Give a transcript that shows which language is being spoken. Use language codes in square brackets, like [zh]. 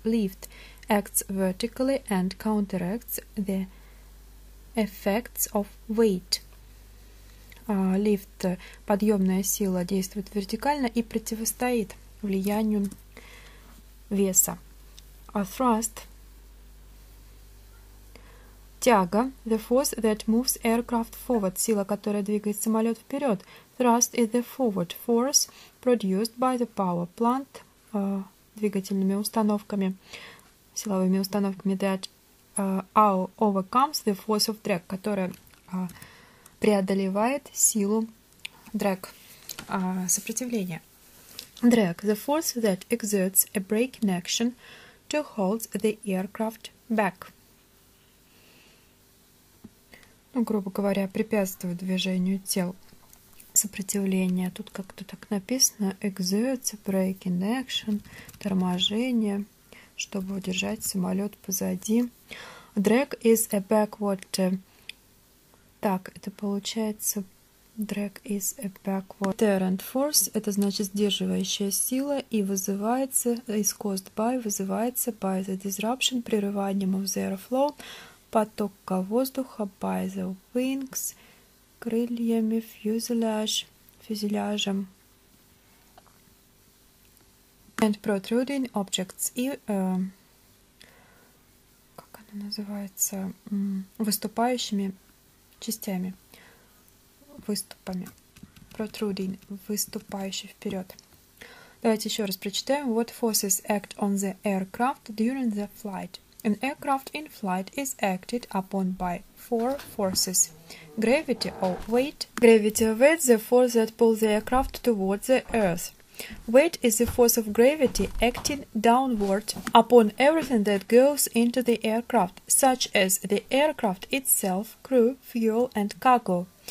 [en] Lift acts vertically and counteracts the effects of weight. [ru] Lift – подъемная сила, действует вертикально и противостоит влиянию веса. [en] Thrust – тяга, the force that moves aircraft forward, [ru] сила, которая двигает самолет вперед. [en] Thrust is the forward force produced by the power plant, [ru] двигательными установками, силовыми установками, [en] that overcomes the force of drag, [ru] которая преодолевает силу [en] drag, сопротивления. Drag, the force that exerts a braking action to hold the aircraft back. [ru] Ну, грубо говоря, препятствует движению тел. Сопротивление. Тут как-то так написано. [en] Exerts, braking action, [ru] торможение, чтобы удержать самолет позади. [en] Drag is a backward. [ru] Так, это получается [en] drag is a backward. Deterrent force, [ru] это значит сдерживающая сила и вызывается, [en] is caused by, вызывается by the disruption, прерыванием of the airflow, [ru] потока воздуха, [en] by the wings, [ru] крыльями, фюзеляжем. [en] And protruding objects. [ru] И, как она называется, выступающими частями, выступами. Protruding, выступающий вперед. Давайте еще раз прочитаем. [en] What forces act on the aircraft during the flight? An aircraft in flight is acted upon by four forces. Gravity or weight. Gravity or weight, the force that pulls the aircraft towards the earth. Weight is the force of gravity acting downward upon everything that goes into the aircraft, such as the aircraft itself, crew, fuel, and cargo.